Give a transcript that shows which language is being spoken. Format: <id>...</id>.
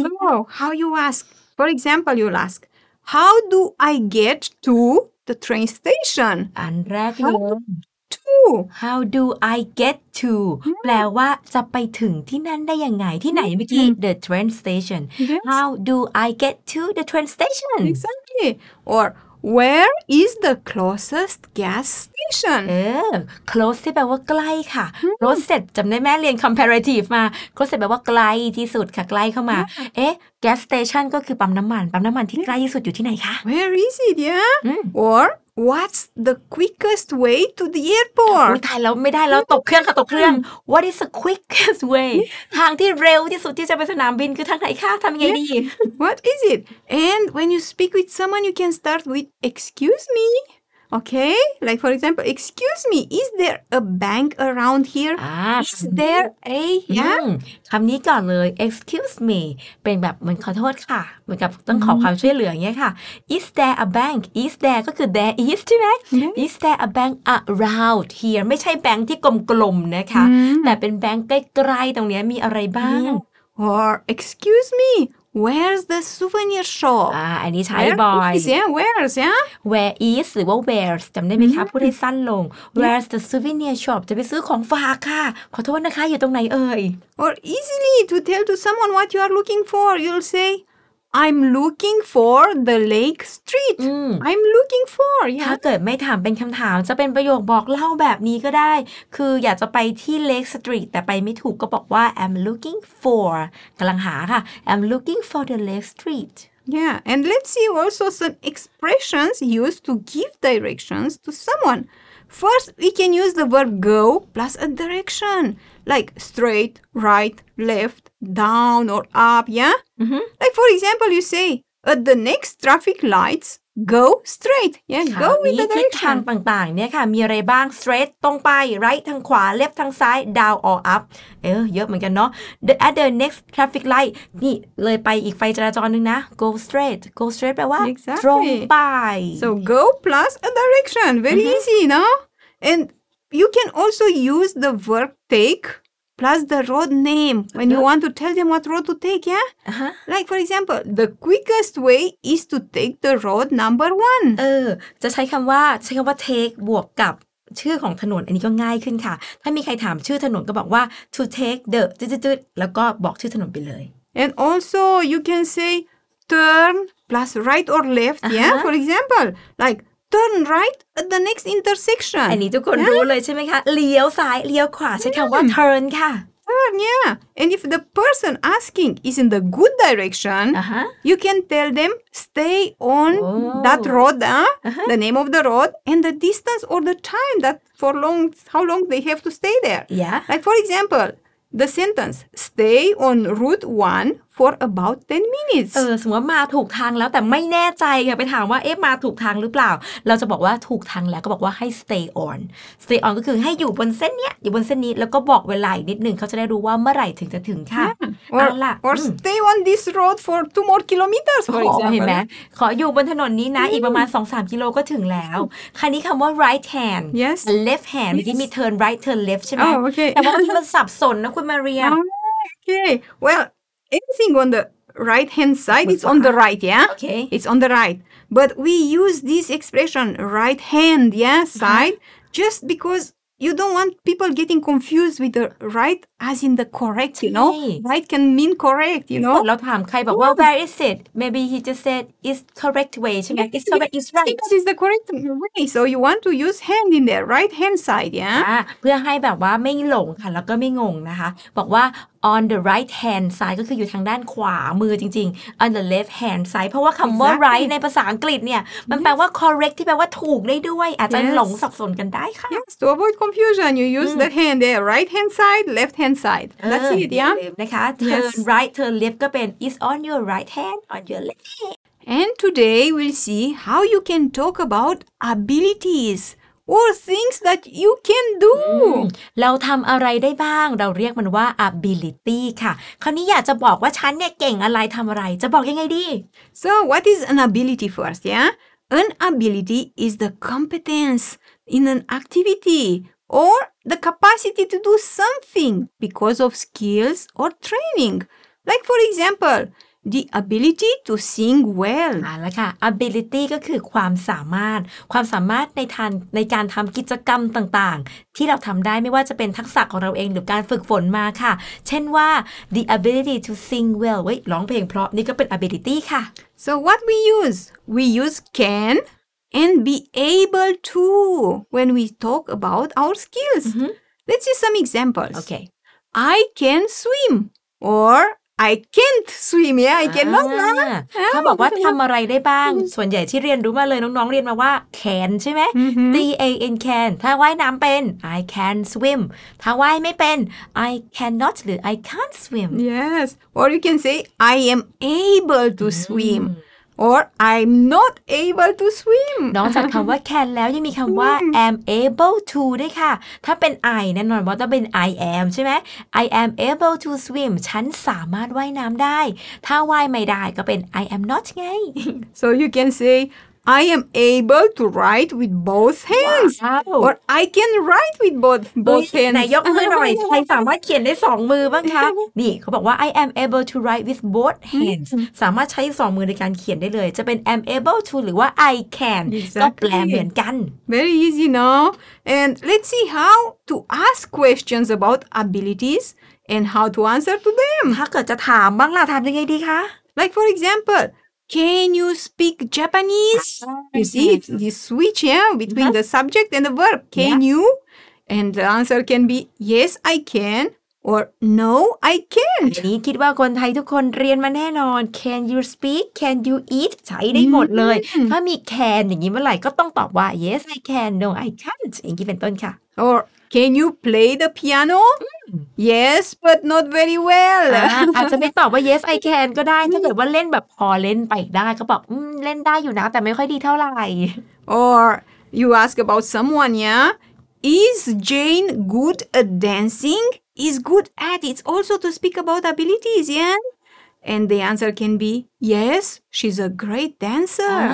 <en>So how you ask for example you ask how do I get to the train station</en> <th>อันแรกเลย</th> <en>How do I get to?</en> <th>แปลว่าจะไปถึงที่นั่นได้ยังไงที่ไหนเมื่อกี้</th> <en>The train station. Yes. How do I get to the train station? Exactly. Or where is the closest gas station?</en> <th>Close แปลว่าใกล้ค่ะ Closest จำได้ไหมเรียน comparative มา Closest แปลว่าใกล้ที่สุดค่ะใกล้เข้ามา gas station ก็คือปั๊มน้ำมันปั๊มน้ำมันที่ใกล้ที่สุดอยู่ที่ไหนคะ</th> <en>Where is it? Yeah. Or What's the quickest way to the airport?</en> <th>ถ่ายแล้วไม่ได้แล้วตกเครื่องค่ะตกเครื่อง</th> <en>What is the quickest way?</en> <th>ทางที่เร็วที่สุดที่จะไปสนามบินคือทางไหนคะทำยังไงดี</th> <en>What is it? And when you speak with someone, you can start with Excuse me. Okay? Like for example, Excuse me. Is there a bank around here? Is there a young?</en> <th>คำนี้ก่อนเลย</th> <en>Excuse me.</en> <th>เป็นแบบเหมือนขอโทษค่ะเหมือนกับต้องขอความช่วยเหลืออย่างเงี้ยค่ะ</th> <en>Is there a bank? Is there ก็คือ there is ใช่ไหม Is there a bank around here?</en> <th>ไม่ใช่แบงค์ที่กลมๆนะคะ แต่เป็นแบงค์ใกล้ๆตรงเนี้ยมีอะไรบ้าง</th> <en>Or excuse me Where's the souvenir shop?</en> <th>อันนี้ใช้บ่อย</th> <en>Where is yeah Where's yeah</en> <th>Where is หรือว่า Where's จำได้ไหมคะพูดให้สั้นลง</th> <en>Where's the souvenir shop</en> <th>จะไปซื้อของฝากค่ะขอโทษนะคะอยู่ตรงไหนเอ่ย</th> <en>Or easily to tell to someone what you are looking for you'll sayI'm looking for the Lake Street. I'm looking for. Yeah.</en> <th>ถ้าเกิดไม่ถามเป็นคำถามจะเป็นประโยคบอกเล่าแบบนี้ก็ได้คืออยากจะไปที่ Lake Street แต่ไปไม่ถูกก็บอกว่า</th> <en>I'm looking for.</en> <th>กำลังหาค่ะ</th> <en>I'm looking for the Lake Street. Yeah. And let's see also some expressions used to give directions to someone. First, we can use the verb go plus a direction, like straight, right, left. Down or up, yeah? Mm-hmm. Like, for example, you say, at the next traffic lights, go straight yeah go with the direction</en> <th>ทิศทางต่างๆเนี่ยค่ะมีอะไรบ้าง straight ตรงไป right ทางขวา left ทางซ้าย down or up เยอะเหมือนกันเนาะ</th> <en>at the next traffic light</en> <th>นี่เลยไปอีกไฟจราจรนึงนะ go straight แปลว่า</th> <en>exactly.</en> <th>ตรงไป</th> <en>so go plus a direction very mm-hmm. easy no and you can also use the verb take plus the road name when you want to tell them what road to take yeah uh-huh. like for example the quickest way is to take the road number 1</en> <th>จะใช้คำว่าtake บวกกับชื่อของถนนอันนี้ก็ง่ายขึ้นค่ะถ้ามีใครถามชื่อถนนก็บอกว่า</th> <en>to take the</en> <th>แล้วก็บอกชื่อถนนไปเลย</th> <en>and also you can say turn plus right or left uh-huh. yeah for example likeTurn right at the next intersection.</en> <th>อันนี้ทุกคน yeah. รู้เลยใช่ไหมคะเลี้ยวซ้ายเลี้ยวขวาใช้คำว่า turn ค่ะ</th> <en>turn yeah. And if the person asking is in the good direction, uh-huh. you can tell them stay on oh. that road, uh-huh. the name of the road and the distance or the time that for long how long they have to stay there. Yeah. Like for example. The sentence stay on route 1 for about 10 minutes.</en> <th>สมมติมาถูกทางแล้วแต่ไม่แน่ใจค่ะไปถามว่าเอ๊ะมาถูกทางหรือเปล่าเราจะบอกว่าถูกทางแล้วก็บอกว่าให้ stay on. Stay on ก็คือให้อยู่บนเส้นเนี้ยอยู่บนเส้นนี้แล้วก็บอกเวลานิดนึงเขาจะได้รู้ว่าเมื่อไหร่ถึงจะถึงค่ะ</th> <en>yeah. or,</en> <th>ล่ะ</th> <en>or stay on this road for 2 more kilometers for example.</en> <th>เห็นไหมขออยู่บนถนนนี้นะ mm. อีกประมาณ 2-3 กิโลก็ถึงแล้วคราวนี้คำว่า right hand</th> <en>yes. left hand ที่มี turn right turn left ใช่ไหม oh, okay.</en> <th>แต่ว่ามันสับสนนะคุณมาเรีย</th> <en>Okay. Well, anything on the right-hand side, it's on the right, yeah? Okay. It's on the right. But we use this expression, right-hand, yeah, side, mm-hmm. just because you don't want people getting confused with the right as in the correct, you know? Yes. Right can mean correct, you know? Well, where is it? Maybe he just said it's correct way, right? Yeah. It's correct, it's right. Because it's the correct way. So you want to use hand in there, right-hand side, yeah?</en> <th>เพื่อให้แบบว่าไม่หลงค่ะแล้วก็ไม่งงนะคะบอกว่า</th> <en>On the right hand side</en> <th>ก็คืออยู่ทางด้านขวามือจริงๆ</th> <en>On the left hand side</en> <th>เพราะว่าคำว่า right ในภาษาอังกฤษเนี่ยมันแปลว่า correct ที่แปลว่าถูกได้ด้วยอาจจะหลงสับสนกันได้ค่ะ</th> <en>Yes to avoid confusion you use the hand there right hand side left hand side that's it yeah นะคะ turn right turn left ก็เป็น is on your right hand on your left hand and today we'll see how you can talk about abilitiesOr things that you can do.</en> <th>เราทำอะไรได้บ้างเราเรียกมันว่า ability ค่ะคราวนี้อยากจะบอกว่าฉันเนี่ยเก่งอะไรทำอะไรจะบอกยังไงดี</th> <en>So what is an ability first? Yeah, an ability is the competence in an activity or the capacity to do something because of skills or training. Like for example. The ability to sing well.</en> <th>อ่ะแล้วค่ะ ability ก็คือความสามารถความสามารถในการทำกิจกรรมต่างๆที่เราทำได้ไม่ว่าจะเป็นทักษะของเราเองหรือการฝึกฝนมาค่ะเช่นว่า</th> <en>the ability to sing well</en> <th>เว้ยร้องเพลงเพราะนี่ก็เป็น ability ค่ะ</th> <en>So what we use can and be able to when we talk about our skills. Mm-hmm. Let's see some examples. Okay, I can swim or. I can't swim, yeah, I cannot swim.</en> <th>เขาบอกว่าทำอะไรได้บ้าง ส่วนใหญ่ที่เรียนรู้มาเลยน้องๆเรียนมาว่า can ใช่ไหม T-A-N can ถ้าว่ายน้ำเป็น</th> <en>I can swim</en> <th>ถ้าว่ายไม่เป็น I cannot หรือ</th> <en>I can't swim Yes, or you can say I am able to swim or I'm not able to swim</en> <th>นอกจากคำว่า can แล้วยังมีคำว่า am able to ด้วยค่ะถ้าเป็น I แน่นอนว่าต้องเป็น I am ใช่ไหม</th> <en>I am able to swim</en> <th>ฉันสามารถว่ายน้ำได้ถ้าว่ายไม่ได้ก็เป็น I am not ไง</th> <en>so you can say I am able to write with both hands wow. or I can write with both hands</en> <th>ไหนยกมือหน่อยใครสามารถเขียนได้สองมือบ้างคะ นี่เขาบอกว่า</th> <en>I am able to write with both hands</en> <th>สามารถใช้สองมือในการเขียนได้เลยจะเป็น am able to หรือว่า I can</th> <en>exactly.</en> <th>ก็แปลเหมือนกัน</th> <en>very easy no and let's see how to ask questions about abilities and how to answer to them</en> <th>ถ้าเกิดจะถามบ้างล่ะถามยังไงดีคะ</th> <en>like for examplesCan you speak Japanese? You see, you switch yeah, between the subject and the verb. Can you? And the answer can be, yes, I can. Or, no, I can't.</en> <th>นี่คิดว่าคนไทยทุกคนเรียนมาแน่นอน</th> <en>Can you speak? Can you eat?</en> <th>ใช้ได้หมดเลยถ้ามี can อย่างนี้เมื่อไหร่ก็ต้องตอบว่า</th> <en>Yes, I can. No, I can't.</en> <th>อย่างนี้เป็นต้นค่ะ</th> <en>Or, can you play the piano? Yes but not very well</en> <th>อาจจะไม่ตอบว่า yes I can ก็ได้ถ้าเกิดว่าเล่นแบบพอเล่นไปได้ก็บอกเล่นได้อยู่นะแต่ไม่ค่อยดีเท่าไหร่</th> <en>Or you ask about someone yeah is Jane good at dancing is good at it's also to speak about abilities yeah and the answer can be yes she's a great dancer</en>